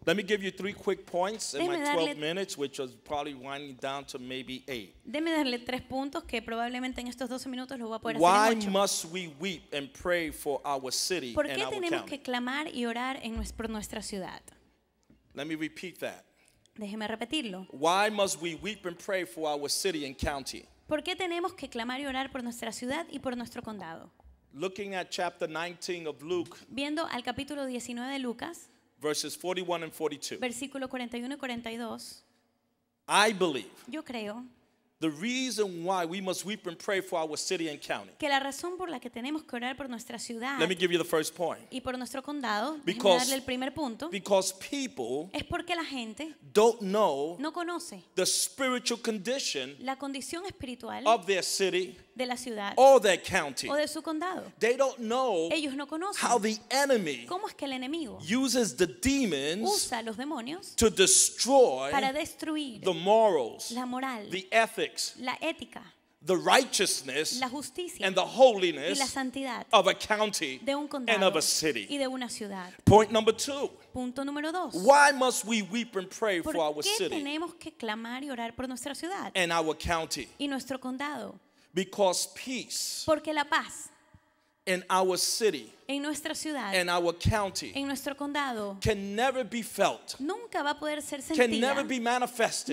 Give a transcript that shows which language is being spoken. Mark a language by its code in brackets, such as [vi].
[en] Let me give you three quick points in my 12 minutes, which is probably winding down to maybe 8. [es] Déme darle tres puntos que probablemente en estos 12 minutos lo voy a poder hacer. [en] Why must we weep and pray for our city and our county? [es] ¿Por qué tenemos que clamar y orar en nuestra ciudad? [en] Let me repeat that. [es] Déjeme repetirlo. [en] Why must we weep and pray for our city and county? [es] ¿Por qué tenemos que clamar y orar por nuestra ciudad y por nuestro condado? [en] Looking at chapter 19 of Luke. [es] Viendo al capítulo 19 de Lucas. [en] Verses 41 and 42. [es] Versículo 41 y 42. [en] I believe. [es] Yo creo. [en] The reason why we must weep and pray for our city and county. [es] Que la razón por la que tenemos que orar por nuestra ciudad. [en] Let me give you the first point. [es] Y por nuestro condado. Déjame darle el primer punto. [en] Because people. [es] Es porque la gente. [en] Don't know. [es] No conoce. [en] The spiritual condition. [es] La condición espiritual. [en] Of their city. [es] De la ciudad. [en] Or their county. [es] O de su condado. [en] They don't know. [es] Ellos no conocen. [en] How the enemy. [es] Cómo es que el enemigo. [en] Uses the demons. [es] Usa los demonios. [en] To destroy. [es] Para destruir. [en] The morals. [es] La moral. [en] The ethics. [es] La ética, [en] the righteousness, [es] la justicia, [en] and the holiness, [es] y la santidad, [en] of a county, [es] de un condado, [en] and of a city, [es] y de una ciudad. [en] Point number two. [es] Punto número dos. [en] Why must we weep and pray for our city? [es] ¿Por qué tenemos que clamar y orar por nuestra ciudad? [en] And our county, [es] y nuestro condado. [en] Because peace, [es] porque la paz, [en] in our city, [es] en nuestra ciudad, [en] and our county, [es] en nuestro condado, [en] can never be felt, [es] nunca va a poder ser sentida, [en] can never be manifested,